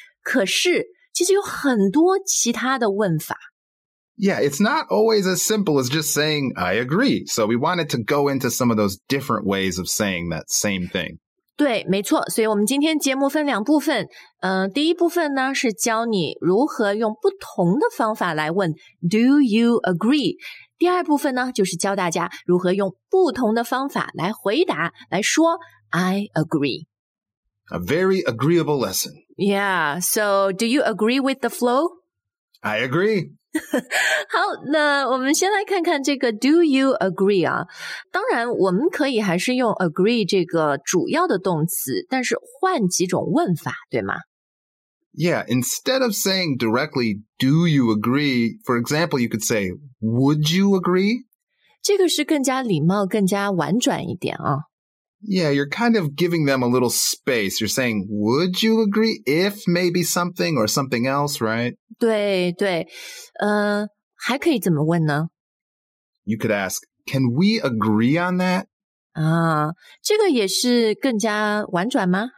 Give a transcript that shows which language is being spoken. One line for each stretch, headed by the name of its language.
Chinese: 可是其实有很多其他的问法。
English: Yeah, it's not always as simple as just saying, I agree. So we wanted to go into some of those different ways of saying that same thing.
Chinese: 对，没错。所以我们今天节目分两部分。第一部分呢，是教你如何用不同的方法来问
English: Do you agree?
Chinese: 第二部分呢，就是教大家如何用不同的方法来回答，来说
English: I agree. A very agreeable lesson. Yeah, so do you agree with the flow? I agree.
Chinese: 好，那我们先来看看这个
English: do you agree
Chinese: 啊。当然我们可以还是用 agree 这个主要的动词，但是换几种问法，对吗？
English: Yeah, instead of saying directly do you agree, for example, you could say would you agree?
Chinese: 这个是更加礼貌，更加婉转一点啊。
English: Yeah, you're kind of giving them a little space. You're saying, would you agree if maybe something or something else, right?
Chinese: 对对，还可以怎么问呢？
English: You could ask, can we agree on that?
Chinese: 啊，这个也是更加婉转吗？